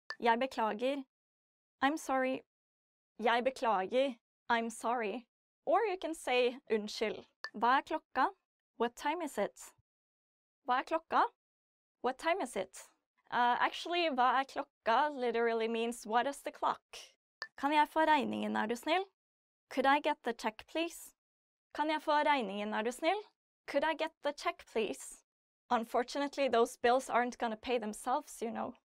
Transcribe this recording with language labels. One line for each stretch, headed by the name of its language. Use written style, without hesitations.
Norwegian: Jeg beklager.
English: I'm sorry.
Norwegian: Jeg beklager. I'm sorry.
English: Or you can say unnskyld.
Norwegian: Hva klokka?
English: What time is it? Hva klokka? What time is it? Actually, hva klokka literally means what is the clock?
Norwegian: Kan jeg få regningen, du snill?
English: Could I get the check, please?
Norwegian: Kan jeg få regningen, du snill?
English: Could I get the check, please? Unfortunately, those bills aren't gonna pay themselves, you know.